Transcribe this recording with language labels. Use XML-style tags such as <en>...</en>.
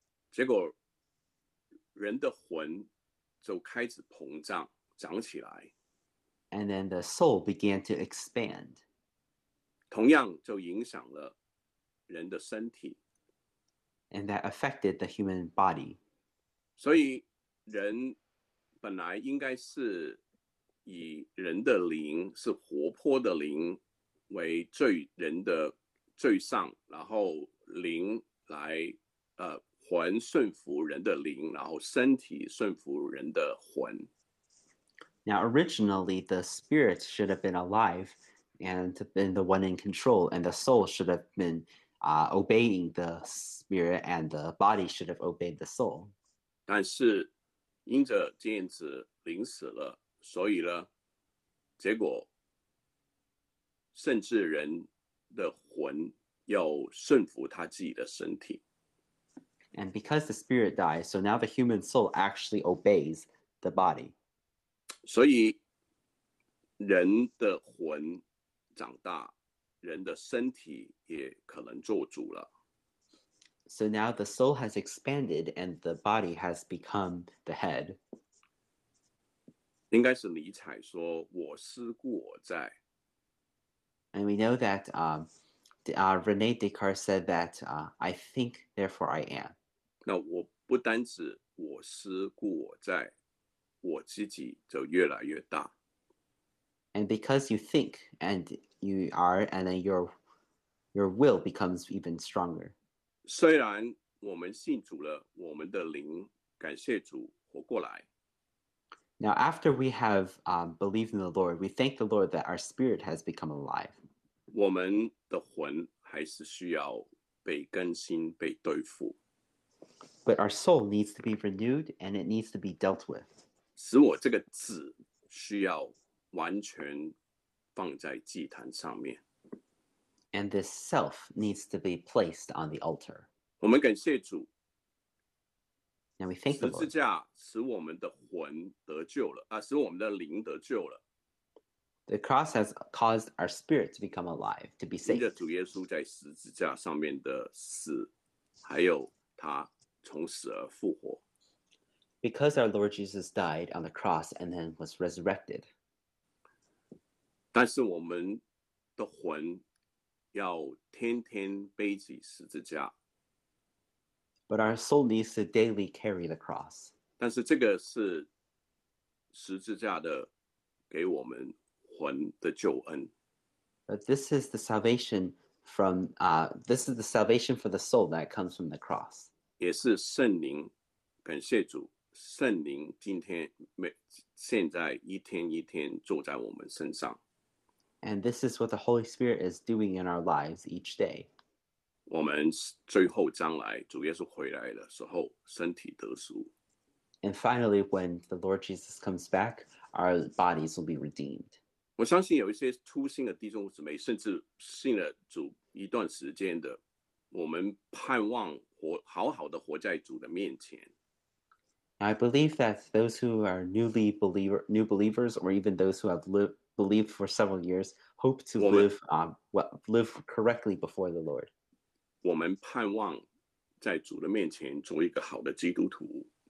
<zh>结果人的魂就开始膨胀，长起来。</zh> <en>And then the soul began to expand.</en> <zh>同样就影响了人的身体。</zh> <en>And that affected the human body.</en> <zh>所以人本来应该是以人的灵，是活泼的灵为最人的最上，然后灵来魂顺服人的灵，然后身体顺服人的魂。</zh> <en>Now, originally, the spirit should have been alive and been the one in control, and the soul should have been obeying the spirit, and the body should have obeyed the soul.</en> <zh>但是因着这样子灵死了，所以呢，结果甚至人的魂要顺服他自己的身体。</zh> <en>And because the spirit dies, so now the human soul actually obeys the body.</en> <zh>所以人的魂长大，人的身体也可能做主了。</zh> <en>So now the soul has expanded and the body has become the head.</en> <zh>应该是尼采说，我思故我在。</zh> <en>And we know that René Descartes said that, I think, therefore I am.</en> <zh>那我不单只我思故我在，我自己就越来越大。</zh> <en>And because you think and you are, and then your will becomes even stronger.</en> <zh>虽然我们信主了，我们的灵感谢主活过来。</zh> <en>Now, after we have believed in the Lord, we thank the Lord that our spirit has become alive.</en> <zh>我们的魂还是需要被更新，被对付。</zh> <en>But our soul needs to be renewed and it needs to be dealt with.</en> <zh>使我这个子需要完全放在祭坛上面。</zh> <en>And this self needs to be placed on the altar.</en> <zh>我们感谢主。</zh> <en>And we thank the Lord.</en> <zh>十字架使我们的魂得救了，使我们的灵得救了。</zh> <en>The cross has caused our spirit to become alive, to be saved.</en> <zh>因着主耶稣在十字架上面的死，还有他从死而复活。</zh> <en>Because our Lord Jesus died on the cross and then was resurrected.</en> <zh>但是我们的魂要天天背起十字架。</zh> <en>But our soul needs to daily carry the cross.</en> <zh>但是这个是十字架的给我们魂的救恩。</zh> <en>But this is the salvation from this is the salvation for the soul that comes from the cross.</en> <zh>也是圣灵，感谢主，圣灵今天现在一天一天坐在我们身上。</zh> <en>And this is what the Holy Spirit is doing in our lives each day.</en> <zh>我们最后将来主耶稣回来的时候，身体得赎。</zh> <en>And finally, when the Lord Jesus comes back, our bodies will be redeemed.</en> <zh>我相信有一些初信的弟兄姊妹，甚至信了主一段时间的，我们盼望活好好的活在主的面前。</zh> <en>I believe that those who are new believers, or even those who have lived. Believe for several years, hope to live correctly before the Lord.</en> <zh>我们盼望在主的面前做一个好的基督徒，</zh>